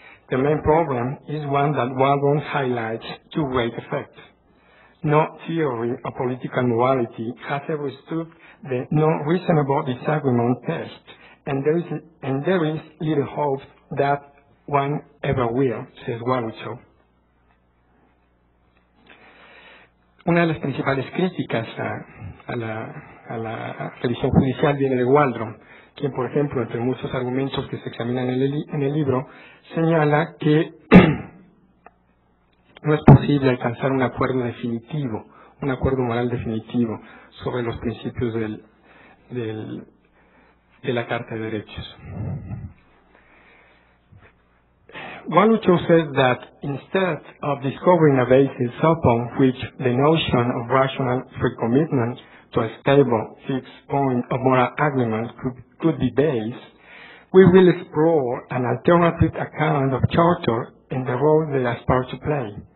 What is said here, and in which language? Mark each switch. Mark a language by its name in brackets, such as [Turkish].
[English] The main problem is one that Waldron highlights to great effect. No theory of political morality has ever stood the non-reasonable disagreement test, and there is little hope that one ever will, says Waluchow. [Spanish] Una de las principales críticas a la revisión judicial viene de Waldron, quien, por ejemplo, entre muchos argumentos que se examinan en el libro, señala que no es posible alcanzar un acuerdo definitivo, un acuerdo moral definitivo sobre los principios de la Carta de Derechos. [English] Waluchow says that instead of discovering a basis upon which the notion of rational free commitment to a stable, fixed point of moral agreement could be based, we will explore an alternative account of charter and the role they aspire to play.